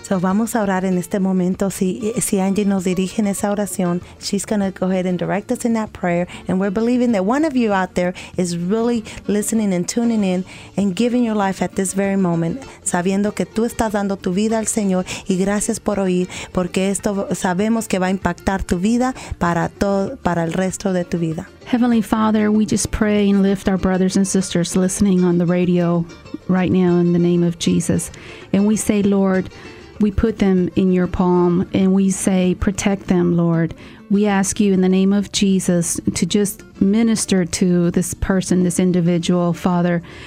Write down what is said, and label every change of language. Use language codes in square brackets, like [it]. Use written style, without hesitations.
[es] So vamos a orar en este momento. Si Angie nos dirige en esa oración, [en] she's going to go ahead and direct us in that prayer. And we're believing that one of you out there is really listening and tuning in and giving your life at this very moment, [es] sabiendo que tú estás dando tu vida al Señor. Y gracias por oír, porque esto sabemos que va a impactar tu vida para el resto de tu vida. [en] Heavenly Father, we just pray and lift our brothers and sisters listening on the radio right now in the name of Jesus. And we say, Lord, we put them in your palm and we say, protect them, Lord. We ask you in the name of Jesus to just minister to this person, this individual, Father.